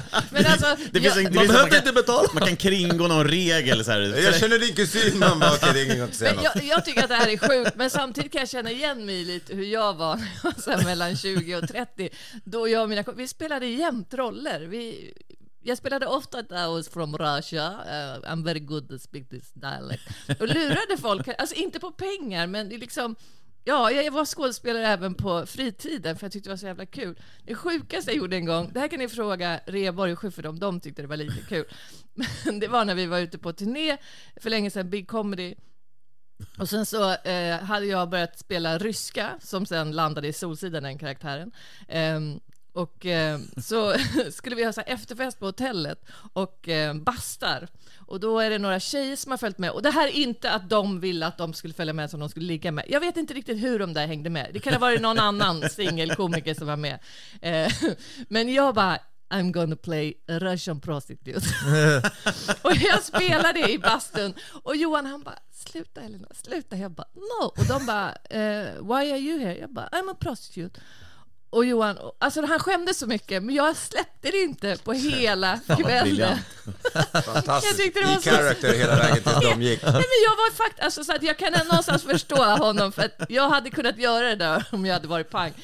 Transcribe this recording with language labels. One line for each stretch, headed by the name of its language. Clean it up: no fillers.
Swedish: Men alltså, man behöver inte betala. Man kan kringgå någon regel. Så här. Jag känner din kusin, man bara, okay, det är ingen att säga. Men jag tycker att det här är sjukt, men samtidigt kan jag känna igen mig lite hur jag var så här, mellan 20 och 30. Då jag och mina, vi spelade jämnt roller. Jag spelade ofta att
English: I was from Russia, I'm very good at speak this dialect.
Swedish: Och lurade folk, alltså inte på pengar, men liksom... Ja, jag var skådespelare även på fritiden för jag tyckte det var så jävla kul. Det sjukaste jag gjorde en gång, det här kan ni fråga Reborg och Schiffer om, de tyckte det var lite kul. Men det var när vi var ute på turné för länge sedan, Big Comedy. Och sen så hade jag börjat spela ryska som sen landade i Solsidan, den karaktären. Och så skulle vi ha så här efterfest på hotellet och bastar. Och då är det några tjejer som har följt med. Och det här är inte att de ville att de skulle följa med som de skulle ligga med. Jag vet inte riktigt hur de där hängde med. Det kan ha varit någon annan singelkomiker som var med. Men jag bara,
English: I'm gonna play a Russian prostitute.
Swedish: Och jag spelade i bastun. Och Johan, han bara, sluta Elina, sluta. Jag bara, no. Och de bara,
English: why are you here?
Swedish: Jag bara,
English: I'm a prostitute.
Swedish: Och Johan, alltså han skämde så mycket, men jag släppte det inte på hela kvällen. Fantastiskt.
English: I character
Swedish: hela vägen tills de gick. Nej, men jag var faktiskt alltså, så att jag kan någonstans förstå honom, för att jag hade kunnat göra det där om jag hade varit pang.